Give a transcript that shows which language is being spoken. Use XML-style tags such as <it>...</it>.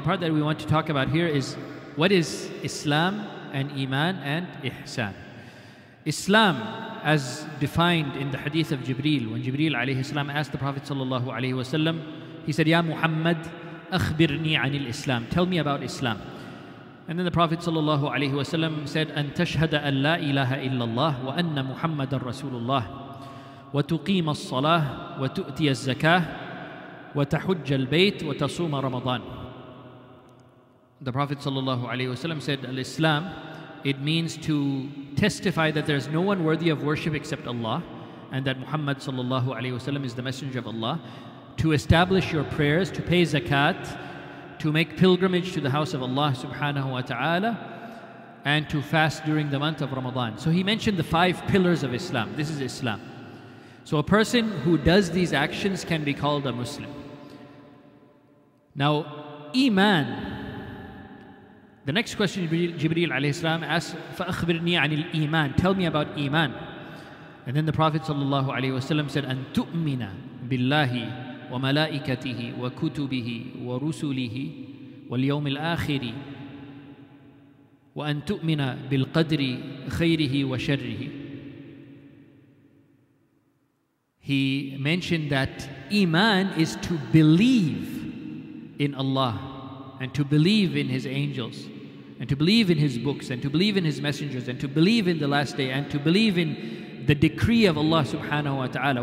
<en>The part that we want to talk about here is, what is Islam and Iman and Ihsan? Islam, as defined in the hadith of Jibreel, when Jibreel alayhi salam asked the Prophet sallallahu alayhi wasallam, he said, Ya Muhammad,</en> <ar>أخبرني عن الإسلام.</ar> <en>Tell me about Islam. And then the Prophet sallallahu alaihi wasallam said,</en> <ar>أن تشهد أن لا إله إلا الله وأن محمد رسول الله وتقيم الصلاة وتؤتي الزكاة وتحج البيت وتصوم رمضان.</ar> <en>The Prophet sallallahu alaihi wasallam said, Islam, it means to testify that there is no one worthy of worship except Allah, and that Muhammad sallallahu alaihi wasallam is the messenger of Allah. To establish your prayers, to pay zakat, to make pilgrimage to the house of Allah subhanahu wa ta'ala, and to fast during the month of Ramadan. So he mentioned the five pillars of Islam. This is Islam. So a person who does these actions can be called a Muslim. Now, Iman. The next question Jibreel alayhi salam asks,</en> <ar>فَأَخْبِرْنِي عَنِ الْإِيمَانِ.</ar> <en>Tell me about Iman. And then the Prophet sallallahu alayhi wasallam said,</en> <ar>أَن تُؤْمِنَ بِاللَّهِ وملائكته وكتبه ورسله واليوم الآخر وأن تؤمن بالقدر خيره وشره.</ar> <en>He mentioned that Iman is to believe in Allah and to believe in His angels and to believe in His books and to believe in His messengers and to believe in the last day and to believe in the decree of Allah subhanahu wa ta'ala.</en>